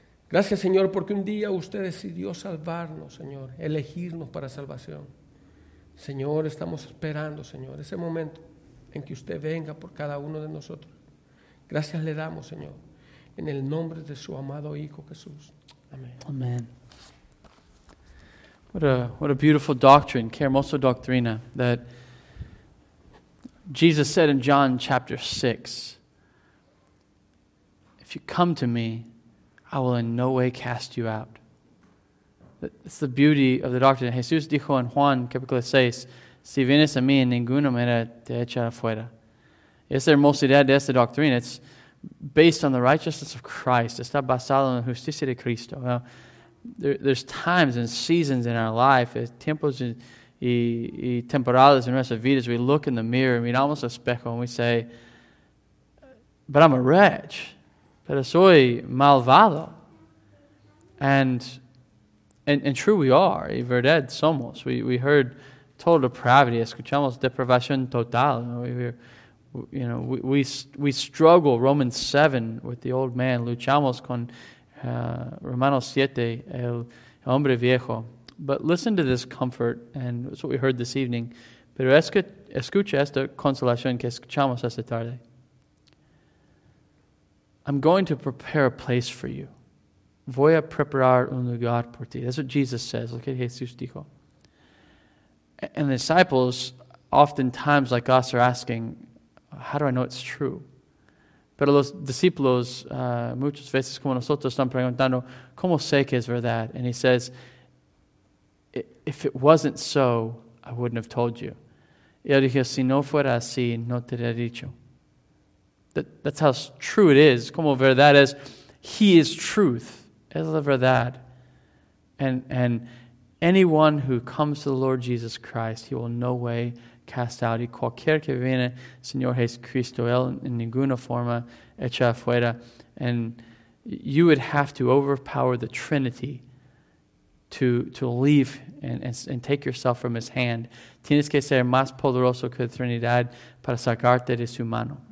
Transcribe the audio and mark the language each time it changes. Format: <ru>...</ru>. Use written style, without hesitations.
<es>Gracias, Señor, porque un día usted decidió salvarnos, Señor, elegirnos para salvación. Señor, estamos esperando, Señor, ese momento en que usted venga por cada uno de nosotros. Gracias le damos, Señor, en el nombre de su amado Hijo Jesús. Amén.</es> <en>Amen. What a beautiful doctrine,</en> <es>qué hermosa doctrina,</es> <en>that Jesus said in John chapter 6, if you come to me, I will in no way cast you out. It's the beauty of the doctrine.</en> <es>Jesús dijo en Juan capítulo 6, si vienes a mí, en ninguna manera te echaré fuera. Es la hermosidad de esta doctrina.</es> <en>It's based on the righteousness of Christ.</en> <es>Está basado en la justicia de Cristo.</es> <en>Now, there's times and seasons in our life,</en> <es>tiempos y temporadas en nuestras vidas,</es> <en>we look in the mirror, and</en> <es>miramos al espejo,</es> <en>and we say, but I'm a wretch.</en> <es>Pero soy malvado.</es> <en>And true, we are.</en> <es>Y verdad somos.</es> <en>We heard total depravity.</en> <es>Escuchamos depravación total.</es> <en>You know, we struggle, Romans 7, with the old man.</en> <es>Luchamos con Romanos 7, el hombre viejo.</es> <en>But listen to this comfort, and it's what we heard this evening.</en> <es>Pero escucha esta consolación que escuchamos esta tarde.</es> <en>I'm going to prepare a place for you.</en> <es>Voy a preparar un lugar por ti.</es> <en>That's what Jesus says. Look at</en> <es>Jesús dijo.</es> <en>And the disciples, oftentimes like us, are asking, how do I know it's true?</en> <es>Pero los discípulos, muchas veces como nosotros, están preguntando, ¿cómo sé que es verdad?</es> <en>And he says, if it wasn't so, I wouldn't have told you.</en> <es>Y él dijo, si no fuera así, no te hubiera dicho.</es> <en>That's how true it is.</en> <es>Como verdad es,</es> <en>he is truth.</en> <es>Es la verdad.</es> <en>And anyone who comes to the Lord Jesus Christ, he will no way cast out.</en> <es>Y cualquier que viene, Señor Jesucristo, él en ninguna forma echa afuera.</es> <en>And you would have to overpower the Trinity to leave and take yourself from his hand.</en> <es>Tienes que ser más poderoso que la Trinidad para sacarte de su mano.</es>